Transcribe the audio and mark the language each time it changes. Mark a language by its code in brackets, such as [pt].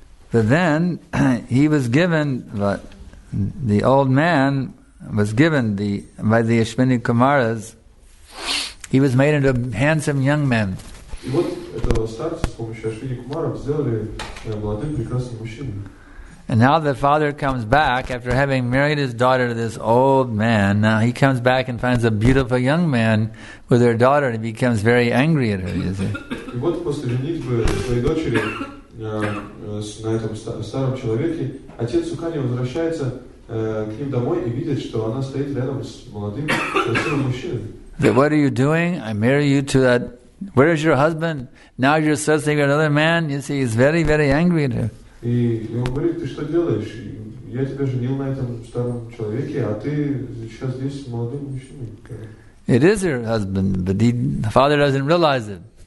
[en] But then, the old man was given by the Ashwini Kumaras, he was made into a handsome young man. [ru] Этого старца с помощью Ашвини Кумаров сделали молодым прекрасным мужчиной. [en] And now the father comes back after having married his daughter to this old man. Now he comes back and finds a beautiful young man with her daughter, and he becomes very angry at her. You see. [ru] На этом старом человеке отец Сукани возвращается к ним домой и видит, что она стоит рядом с молодым красивым мужчиной. [en] What are you doing? I marry you to that. Where is your husband? Now you're associating with another man. You see, he's very, very angry at her. [ru] И он говорит: ты что делаешь? Я тебя женил на этом старом человеке, а ты сейчас здесь с молодым мужчиной. [en] It is her husband, but the father doesn't realize it.